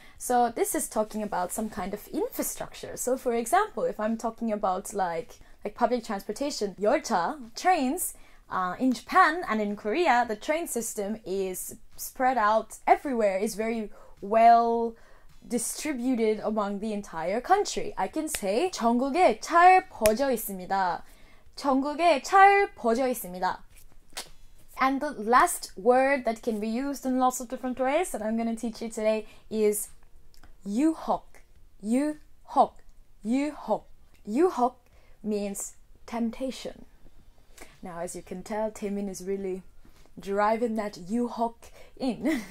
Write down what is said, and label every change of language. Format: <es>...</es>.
<en>So this is talking about some kind of infrastructure. So for example, if I'm talking about like public transportation, 열차, trains, in Japan and in Korea, the train system is spread out everywhere, is very well distributed among the entire country. I can say</en> <ko>전국에 잘 퍼져 있습니다. 전국에 잘 퍼져 있습니다.</ko> <en>And the last word that can be used in lots of different ways that I'm going to teach you today is 유혹. 유혹. 유혹. 유혹 means temptation. Now, as you can tell, Taemin is really driving that 유혹 in.</en>